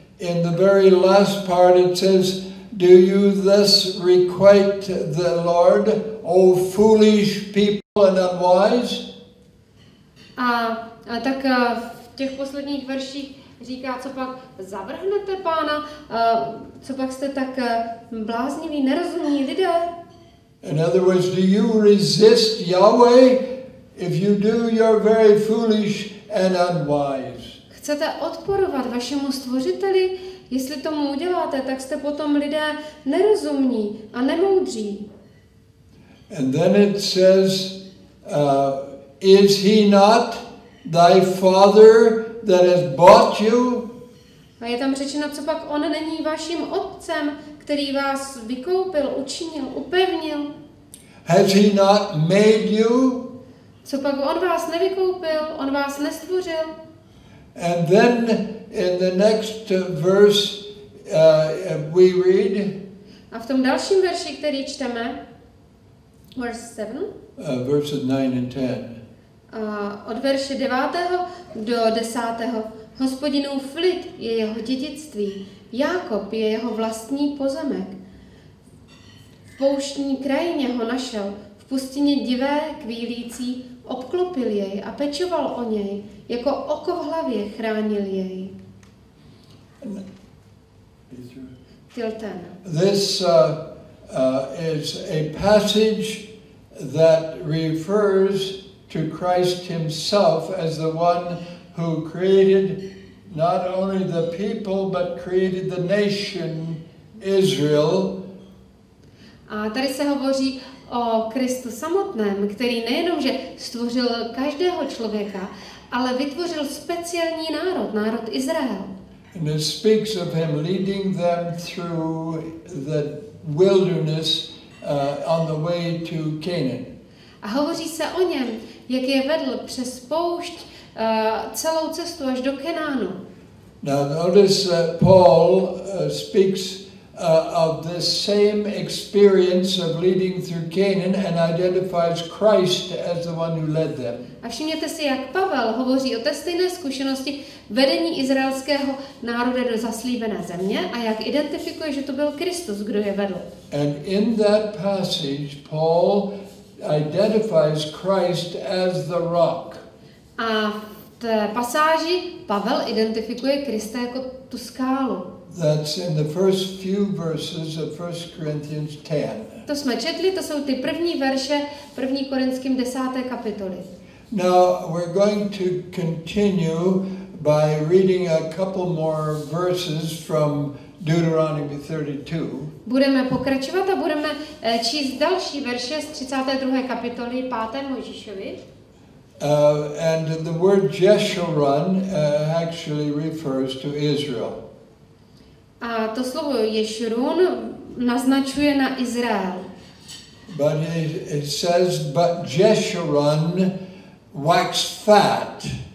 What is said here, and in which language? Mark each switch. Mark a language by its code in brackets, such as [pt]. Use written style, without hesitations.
[en] In the very last part it says, do you thus requite the Lord, O foolish people and unwise? [cs] A tak v těch posledních verších říká, copak zavrhnete Pána, copak jste tak blázniví, nerozumní lidé? [en] In other words, do you resist Yahweh? If you do, you're very foolish and unwise. [cs] Chcete odporovat vašemu stvořiteli? Jestli tomu uděláte, tak jste potom lidé nerozumní a nemoudří. [en] And then it says, is he not thy father that has bought you? [cs] A je tam řečeno, copak on není vaším otcem, který vás vykoupil, učinil, upevnil? [en] Has he not made you? [cs] Copak on vás nevykoupil, on vás nestvořil? [en] And then in the next verse we read. [cs] A v tom dalším verši, který čteme, verse 7. [en] Verses 9 and 10. [cs] Od verše 9. do 10. Hospodinův lid je jeho dědictví, Jákob je jeho vlastní pozemek. V pouštní krajině ho našel, v pustině divé kvílící, obklopil jej a pečoval o něj, jako oko v hlavě chránil jej. [en] Till ten. This is a passage that refers to Christ himself as the one who created not only the people, but created the nation Israel. [cs] A tady se hovoří o Kristu samotném, který nejenom že stvořil každého člověka, ale vytvořil speciální národ, národ Izrael. [en] And it speaks of him leading them through the wilderness on the way to Canaan. [cs] A hovoří se o něm, jak je vedl přes poušť celou cestu až do Kenánu. [en] Now notice that Paul speaks of the same experience of leading through Canaan and identifies Christ as the one who led them. [cs] A všimněte si, jak Pavel hovoří o té stejné zkušenosti vedení izraelského národa do zaslíbené země a jak identifikuje, že to byl Kristus, kdo je vedl. [en] And in that passage, Paul identifies Christ as the rock. [cs] A v té pasáži Pavel identifikuje Krista jako tu skálu. [en] That's in the first few verses of 1 Corinthians 10. [cs] To jsme četli, to jsou ty první verše 1. Korinským 10. kapitoly. [en] Now we're going to continue by reading a couple more verses from Deuteronomy 32. [cs] Budeme pokračovat a budeme číst další verše z 32. kapitoly 5. Mojžíšovi. [en] And the word Jeshurun actually refers to Israel. [cs] A to slovo Ješurun naznačuje na Izrael. [en] But it says, but Jeshurun waxed fat.